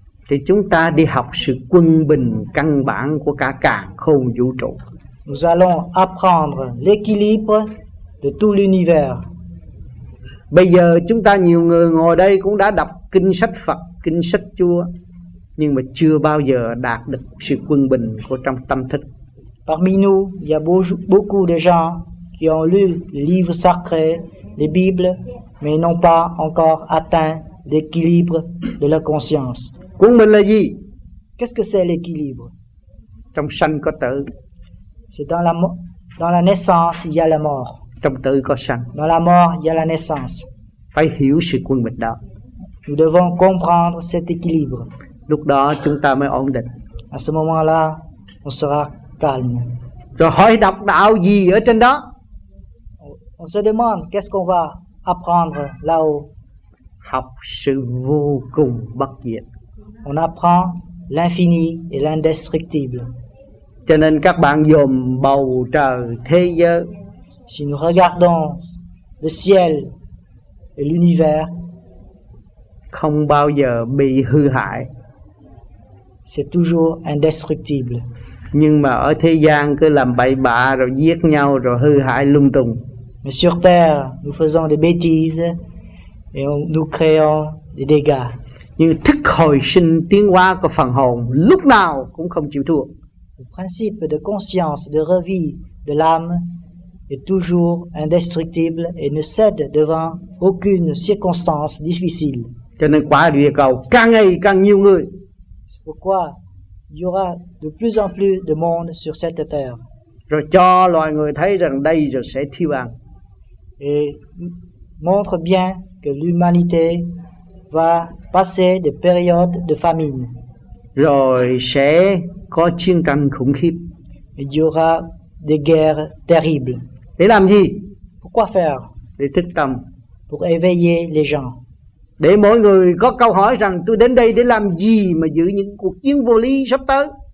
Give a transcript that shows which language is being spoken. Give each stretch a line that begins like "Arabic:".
Vietnamese: Thì chúng ta đi học sự quân bình căn bản của cả càn khôn vũ trụ.
French: Nous allons apprendre l'équilibre de tout l'univers.
Vietnamese: Bây giờ chúng ta nhiều người ngồi đây cũng đã đọc kinh sách Phật, kinh sách Chúa, nhưng mà chưa bao giờ đạt được sự quân bình của trong tâm thức.
French: Parmi nous, il y a beaucoup de gens qui ont lu les livres sacrés, les Bibles, mais n'ont pas encore atteint l'équilibre de la conscience.
Vietnamese: Quân bình là gì?
French: Qu'est-ce que c'est l'équilibre?
Vietnamese: Trong sanh có tử.
French: C'est dans la dans la naissance, il y a la mort.
Vietnamese: Trong tử có sanh.
French: Dans la mort, il y a la naissance.
Vietnamese: Phải hiểu sự quân bình đó.
French: Nous devons comprendre cet équilibre.
Vietnamese: Lúc đó chúng ta mới ổn định.
French: À ce moment-là, on sera calme.
Vietnamese: Rồi hỏi đọc đạo gì ở trên đó?
French: On se demande qu'est-ce qu'on va apprendre là-haut.
Vietnamese: Học sự vô cùng bất diệt.
French: On apprend l'infini et l'indestructible.
Vietnamese: Cho nên các bạn dòm bầu trời thế giới.
French: Si nous regardons le ciel et l'univers,
Vietnamese: không bao giờ bị hư hại.
French: C'est toujours indestructible.
Vietnamese: Nhưng mà ở thế gian cứ làm bậy bạ rồi giết nhau rồi hư hại lung tung.
French: Mais sur terre, nous faisons des bêtises et nous créons des dégâts.
Vietnamese: Như thức hồi sinh tiến hóa của phần hồn lúc nào cũng không chịu thua.
French: Le principe de conscience, de revie de l'âme est toujours indestructible et ne cède devant aucune circonstance difficile.
Vietnamese: Cho nên quả địa cầu càng ngày càng nhiều người.
French: C'est pourquoi il y aura de plus en plus de monde sur cette terre.
Vietnamese: Rồi cho loài người thấy rằng đây rồi sẽ thiêu ăn.
French: Et montre bien que l'humanité va passer des périodes de famine.
Vietnamese: Rồi sẽ có chiến tranh khủng khiếp.
French: Il y aura des guerres terribles.
Vietnamese: Để làm gì?
French: Pourquoi faire?
Vietnamese: Để thức tâm.
French: Pour éveiller les gens.
Vietnamese: Để mỗi người có câu hỏi rằng tôi đến đây để làm gì mà giữ những cuộc chiến vô lý sắp tới?